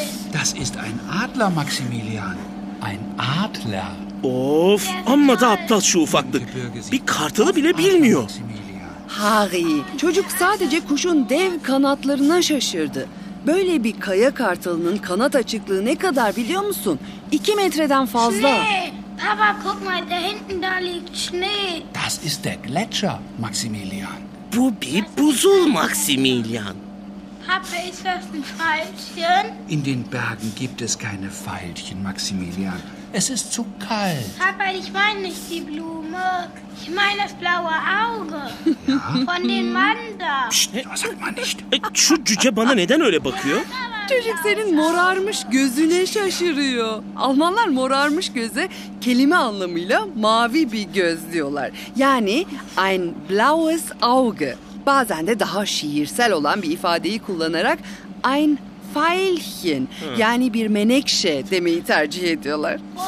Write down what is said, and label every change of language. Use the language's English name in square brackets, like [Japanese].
[German] Das ist ein Adler, Maximilian. Ein Adler. [Turkish] Of, amma da aptal şu ufaklık. Bir kartalı bile bilmiyor. Harry, çocuk sadece kuşun dev kanatlarına şaşırdı. Böyle bir kaya kartalının kanat açıklığı ne kadar biliyor musun? 2 metreden fazla. [German] Schnee! Papa, guck mal, da hinten da liegt Schnee. Das ist der Gletscher, Maximilian. [Turkish] Bu bir buzul, Maximilian. [German] Papa, ist das ein Pfeilchen? In den Bergen gibt es keine Pfeilchen, Maximilian. Es ist zu kalt. Papa, ich meine nicht die Blume. Ich meine das blaue Auge. Ja? Von den Mandeln. Psst, das sagt man nicht. [Turkish] Şu cüce bana neden öyle bakıyor? Çocuk senin morarmış gözüne şaşırıyor. Almanlar morarmış göze kelime anlamıyla mavi bir göz diyorlar. Yani [German] ein blaues Auge. [Turkish] Bazen de daha şiirsel olan bir ifadeyi kullanarak [German] ein Veilchen, [Turkish] yani bir menekşe demeyi tercih ediyorlar.